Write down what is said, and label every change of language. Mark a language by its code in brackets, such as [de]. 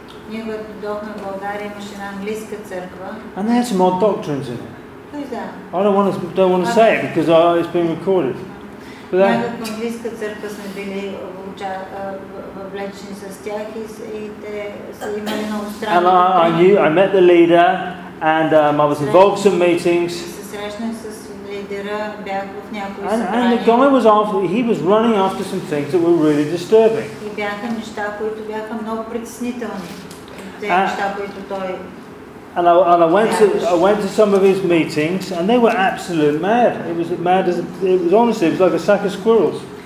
[bg] Ние когато дойдохме в България, имаше една английска църква. [en] And they had some odd doctrines in it. I don't want to say it because it's being recorded. But then, [bg] в английска църква сме били въвлечени с тях и те са имали много странно. [en] I met the leader and I was involved in some meetings. [bg] Се срещнах с лидера, бях в някои събрания. [en] And the guy was after, he was running after some things that were really disturbing. [bg] И бяха неща, които бяха много притеснителни. Те неща, които той... [en] And I went to some of his meetings, and they were absolute mad. It was mad as it was honestly. It was like a sack of squirrels.